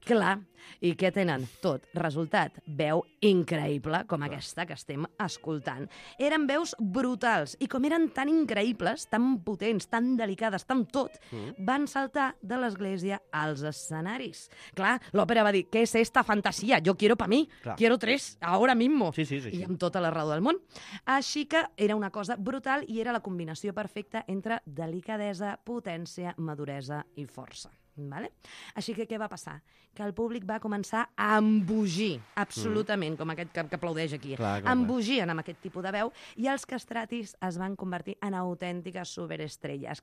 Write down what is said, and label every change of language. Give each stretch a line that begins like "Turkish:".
Catalan: Clar, i què tenen? Tot. Resultat, veu increïble, com aquesta que estem escoltant. Eren veus brutals, i com eren tan increïbles, tan potents, tan delicades, tan tot, van saltar de l'església als escenaris. Clar, l'òpera va dir, què és esta fantasia?
Spanish: Jo quiero pa mi, quiero tres, ahora mismo. Sí, sí, sí.
Catalan: I amb tota la raó del món. Així que era una cosa brutal i era la combinació perfecta entre delicadesa, potència, maduresa i força. Vale? Així que què va passar? Que el públic va començar a embogir, absolutament, com aquest que aplaudeix aquí. Embogien amb aquest tipus de veu i els castratis es van convertir en autèntiques superestrelles.